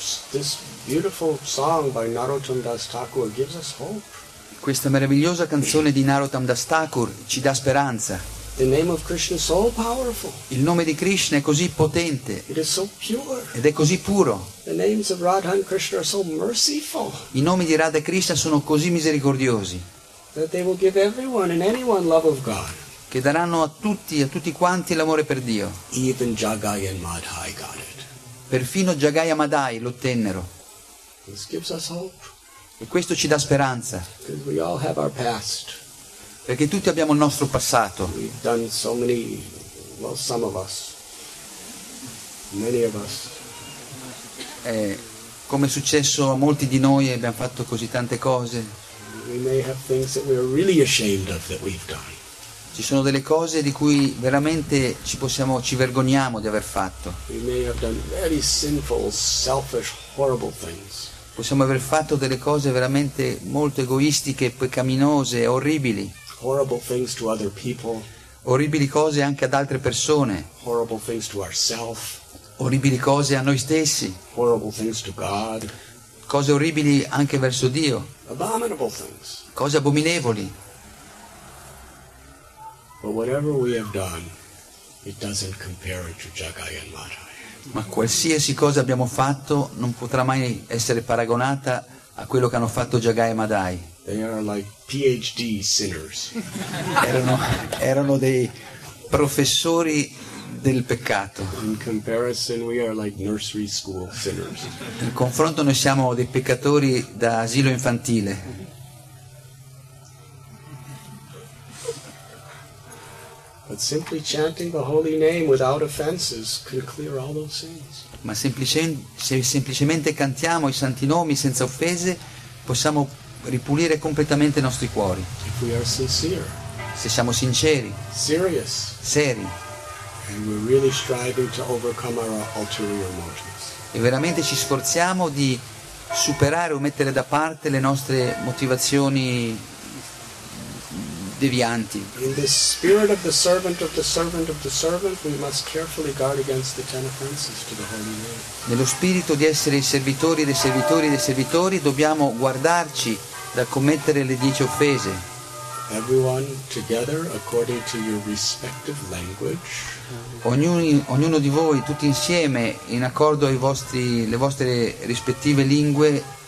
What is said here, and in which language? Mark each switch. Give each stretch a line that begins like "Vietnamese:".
English: This beautiful song by Narottam Das Thakur gives us hope.
Italian: Questa meravigliosa canzone di Narottam Das Thakur ci dà speranza.
English: The name of Krishna is so powerful.
Italian: Il nome di Krishna è così potente.
English: It is so pure.
Italian: Ed è così puro.
English: The names of Radha and Krishna are so merciful.
Italian: I nomi di Radha e Krishna sono così misericordiosi.
English: That they will give everyone and anyone love of God.
Italian: Che daranno a tutti quanti l'amore per Dio.
English: Even Jagai and Madhai got it.
Italian: Perfino Jagai e Madhai l'ottennero.
English: This gives us hope.
Italian: E questo ci dà speranza.
English: We all have our past.
Italian: Perché tutti abbiamo il nostro passato.
English: We've done so many, well, some of us, many of us.
Italian: come è successo a molti di noi, abbiamo fatto così tante cose.
English: We may have things that we're really ashamed of that we've done.
Italian: Ci sono delle cose di cui veramente ci vergogniamo di aver fatto.
English: We may have done very sinful, selfish, horrible things.
Italian: Possiamo aver fatto delle cose veramente molto egoistiche, peccaminose, orribili.
English: Horrible things to other people.
Italian: Orribili cose anche ad altre persone.
English: Horrible things to ourselves.
Italian: Orribili cose a noi stessi.
English: Horrible things to God.
Italian: Cose orribili anche verso Dio.
English: Abominable things.
Italian: Cose abominevoli.
English: But whatever we have done, it doesn't compare to Jagai and Madhai.
Italian: Ma qualsiasi cosa abbiamo fatto non potrà mai essere paragonata a quello che hanno fatto Jagai e Madhai.
English: They are like PhD sinners.
Italian: erano dei professori del peccato.
English: In comparison, we are like nursery school sinners.
Italian: In confronto, noi siamo dei peccatori da asilo infantile.
English: But simply chanting the holy name without offenses can clear all those sins.
Italian: Ma semplicemente cantiamo i santi nomi senza offese, possiamo ripulire completamente i nostri cuori.
English: If we are sincere.
Italian: Se siamo sinceri.
English: Serious.
Italian: Seri.
English: And we're really striving to overcome our ulterior motives.
Italian: E veramente ci sforziamo di superare o mettere da parte le nostre motivazioni devianti.
English: In the spirit of the servant of the servant of the servant, we must carefully guard against the ten offenses to the holy name.
Italian: Nello spirito di essere i servitori dei servitori dei servitori, dobbiamo guardarci da commettere le 10 offese.
English: Everyone together, according to your respective language.
Italian: Ognuno di voi, tutti insieme, in accordo ai vostri le vostre rispettive lingue.